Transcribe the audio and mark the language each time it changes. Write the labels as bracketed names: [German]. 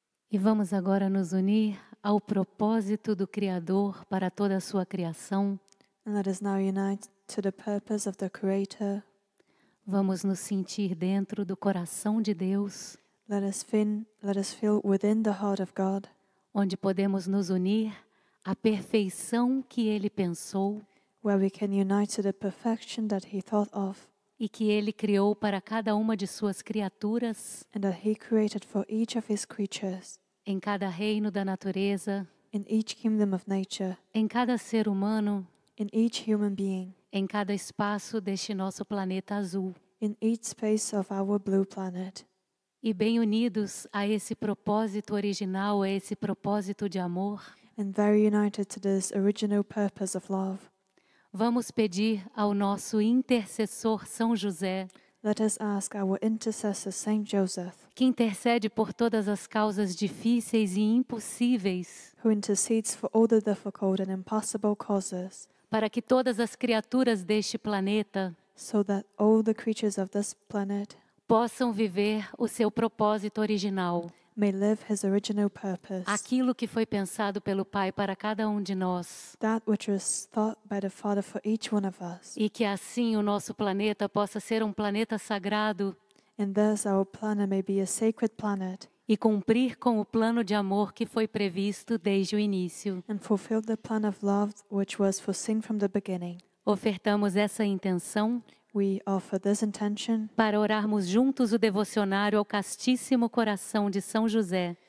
[Portuguese] E vamos agora nos unir ao propósito do Criador para toda a sua criação. [English] Let us now unite to the purpose of the Creator. [Portuguese] Vamos nos sentir dentro do coração de Deus. [English] Let us feel within the heart of God. [Portuguese] Onde podemos nos unir à perfeição que Ele pensou. [English] Where we can unite to the perfection that He thought of. [Portuguese] E que Ele criou para cada uma de suas criaturas. [English] And that He created for each of His creatures. [Portuguese] Em cada reino da natureza. [English] In each kingdom of nature. [Portuguese] Em cada ser humano. [English] In each human being. [Portuguese] Em cada espaço deste nosso planeta azul. [English] In each space of our blue planet. [Portuguese] E bem unidos a esse propósito original, a esse propósito de amor. [English] And very united to this original purpose of love. [Portuguese] Vamos pedir ao nosso intercessor São José. [English] Let us ask our intercessor Saint Joseph. [Portuguese] Que intercede por todas as causas difíceis e impossíveis. [English] Who intercedes for all the difficult and impossible causes. [Portuguese] Para que todas as criaturas deste planeta. [English] So that all the creatures of this planet. [Portuguese] Possam viver o seu propósito original. [English] May live his original purpose. [Portuguese] Aquilo que foi pensado pelo Pai para cada um de nós. [English] That which was thought by the Father for each one of us. [Portuguese] E que assim o nosso planeta possa ser um planeta sagrado. [English] And thus our planet may be a sacred planet. [Portuguese] E cumprir com o plano de amor que foi previsto desde o início. [English] And fulfill the plan of love which was foreseen from the beginning. [Portuguese] Ofertamos essa intenção. [English] We offer this intention [Portuguese] para orarmos juntos o devocionário ao Castíssimo Coração de São José.